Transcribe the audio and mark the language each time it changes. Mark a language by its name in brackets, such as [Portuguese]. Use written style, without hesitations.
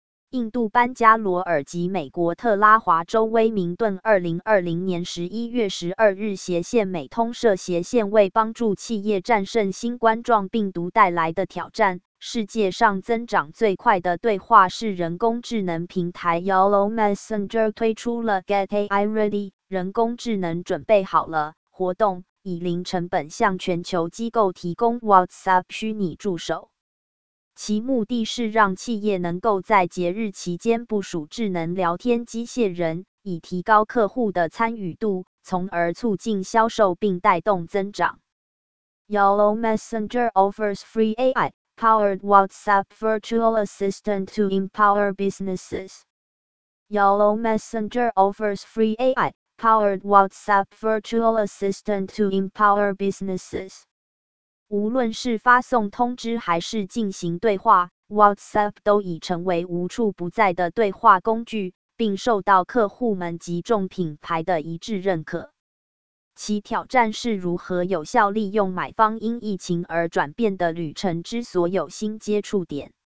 [Chinese] 印度班加罗尔及美国特拉华州威明顿2020年11月12日斜线美通社斜线为帮助企业战胜新冠状病毒带来的挑战，世界上增长最快的对话式人工智能平台 Yellow Messenger 推出了 Get AI Ready， 人工智能准备好了活动，以零成本向全球机构提供 WhatsApp 虚拟助手。其目的是让企业能够在节日期间部署智能聊天机械人，以提高客户的参与度，从而促进销售并带动增长。 [English] Yellow Messenger offers free AI-powered WhatsApp virtual assistant to empower businesses. Yellow Messenger offers free AI-powered WhatsApp virtual assistant to empower businesses. [Chinese] 无论是发送通知还是进行对话， WhatsApp 都已成为无处不在的对话工具，并受到客户们及众品牌的一致认可。其挑战是如何有效利用买方因疫情而转变的旅程之所有新接触点。